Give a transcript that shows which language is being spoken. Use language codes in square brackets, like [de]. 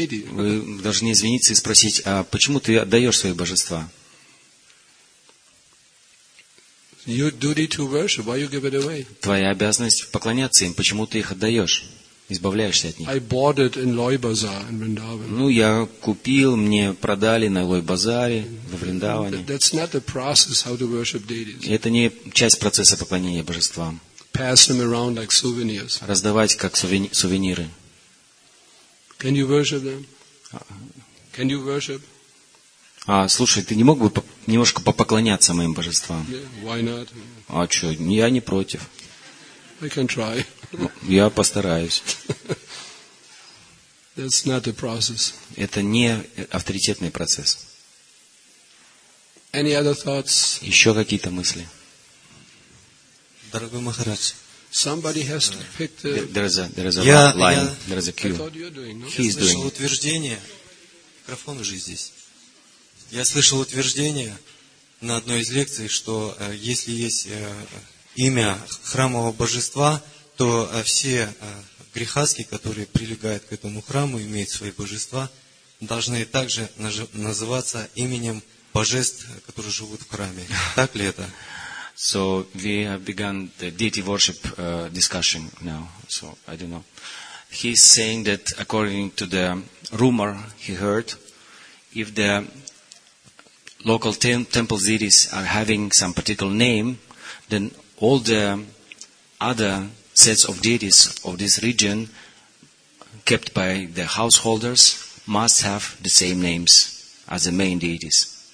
[ru] вы должны извиниться и спросить, а почему ты отдаешь свои божества? [en] Your duty to worship, why you give it away? [ru] Твоя обязанность поклоняться им, почему ты их отдаешь? Избавляешься от них. [en] I bought it in Loy Bazaar in Vrindavan. [ru] Ну, я купил, мне продали на Лой Базаре во Вриндаване. [en] That's not the process how to worship deities. [ru] Это не часть процесса поклонения божествам. [en] Pass them around like souvenirs. [ru] Раздавать как сувениры. [en] Can you worship them? Can you worship? [ru] А, слушай, ты не мог бы немножко попоклоняться моим божествам? [en] Yeah, why not? [ru] А что, я не против. [en] I can try. [ru] Я постараюсь. [en] That's not the process. [ru] Это не авторитетный процесс. [en] Any other thoughts? [ru] Еще какие-то мысли? Дорогой Махарадж. [en] Somebody has to pick the... [ru] Я слышал утверждение. Микрофон уже здесь. Я слышал утверждение на одной из лекций, что если есть имя храмового божества, то все грехаски, которые прилегают к этому храму, имеют свои божества, должны также называться именем божеств, которые живут в храме. Так ли это? [en] So we have begun the deity worship discussion now. So I don't know. He's saying that according to the rumor he heard, if the local temple deities are having some particular name, then all the other sets of deities of this region kept by the householders must have the same names as the main deities.